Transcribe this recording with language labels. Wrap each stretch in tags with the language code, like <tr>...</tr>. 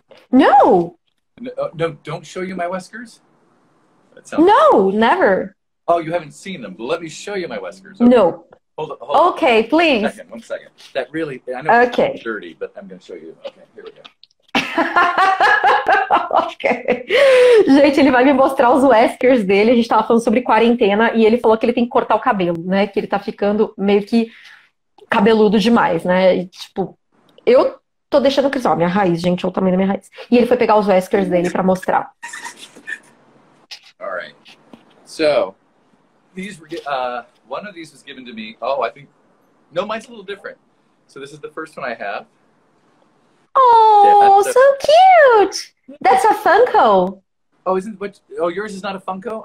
<en>No. No, don't show you my Weskers? Never. Oh, you haven't seen them. Let me show you my Weskers. Okay. No. Hold on. Okay, please. One second. That really, I know okay. It's dirty, but I'm going to show you. Okay, here we go. Okay.</en> <pt>Gente, ele vai me mostrar os Weskers dele. A gente tava falando sobre quarentena e ele falou que ele tem que cortar o cabelo, né? Que ele tá ficando meio que cabeludo demais, né? E, tipo, eu tô deixando crescer minha raiz, gente, ou também na minha raiz. E ele foi pegar os Weskers dele pra mostrar.</pt> <en>All right. So, these were one of these was given to me. Oh, I think no, mine's a little different. So this is the first one I have. Oh, yeah, so cute! That's a Funko. Oh, yours is not a Funko?</en>